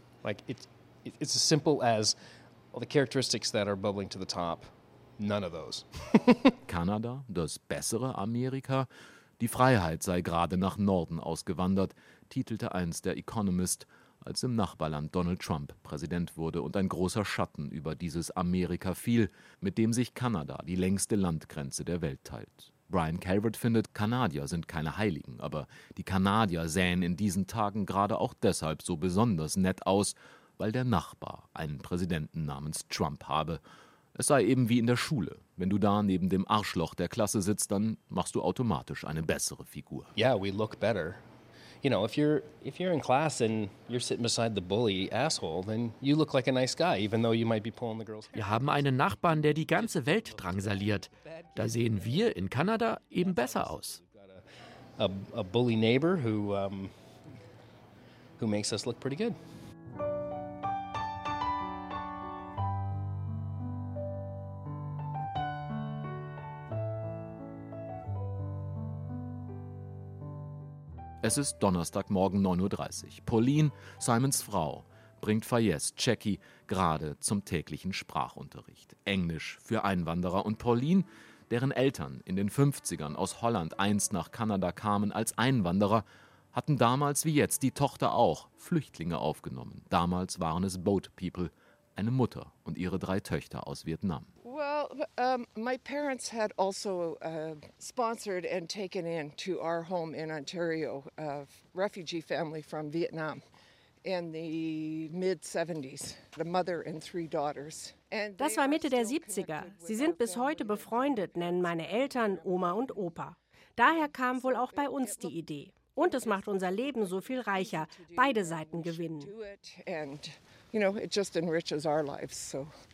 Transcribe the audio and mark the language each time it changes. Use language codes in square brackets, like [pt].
[en] Like it's as simple as all the characteristics that are bubbling to the top. None of those. [de] Kanada, das bessere Amerika, die Freiheit sei gerade nach Norden ausgewandert, titelte einst der Economist, als im Nachbarland Donald Trump Präsident wurde und ein großer Schatten über dieses Amerika fiel, mit dem sich Kanada die längste Landgrenze der Welt teilt. Brian Calvert findet, Kanadier sind keine Heiligen, aber die Kanadier sähen in diesen Tagen gerade auch deshalb so besonders nett aus, weil der Nachbar einen Präsidenten namens Trump habe. Es sei eben wie in der Schule. Wenn du da neben dem Arschloch der Klasse sitzt, dann machst du automatisch eine bessere Figur. [en] Yeah, we look better. You know, if you're in class and you're sitting beside the bully asshole, then you look like a nice guy, even though you might be pulling the girls. [de] Wir haben einen Nachbarn, der die ganze Welt drangsaliert. Da sehen wir in Kanada eben besser aus. [en] A bully neighbor who makes us look pretty good. [de] Es ist Donnerstagmorgen 9.30 Uhr. Pauline, Simons Frau, bringt Fayez, Checky, gerade zum täglichen Sprachunterricht. Englisch für Einwanderer. Und Pauline, deren Eltern in den 50ern aus Holland einst nach Kanada kamen als Einwanderer, hatten damals wie jetzt die Tochter auch Flüchtlinge aufgenommen. Damals waren es Boat People, eine Mutter und ihre drei Töchter aus Vietnam. [en] Well, my parents had also sponsored and taken in to our home in Ontario a refugee family from Vietnam in the mid-70s, the mother and three daughters. [de] Das war Mitte der 70er. Sie sind bis heute befreundet, nennen meine Eltern Oma und Opa. Daher kam wohl auch bei uns die Idee. Und es macht unser Leben so viel reicher. Beide Seiten gewinnen. [en] And, you know, it just enriches our lives, so.